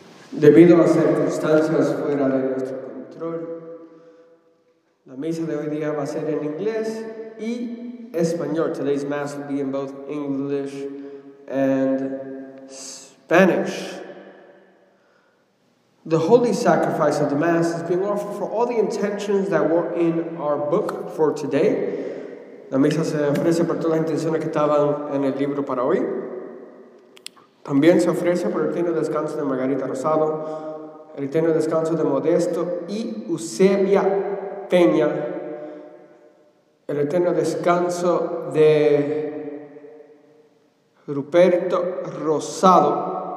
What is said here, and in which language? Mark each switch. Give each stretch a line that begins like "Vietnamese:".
Spanish: Debido a circunstancias fuera de nuestro control, la misa de hoy día va a ser en inglés y español.
English: Today's mass will be in both English and Spanish. The holy sacrifice of the mass is being offered for all the intentions that were in our book for today.
Spanish: La misa se ofrece por todas las intenciones que estaban en el libro para hoy. También se ofrece por el eterno descanso de Margarita Rosado, el eterno descanso de Modesto y Eusebia Peña, el eterno descanso de Ruperto Rosado.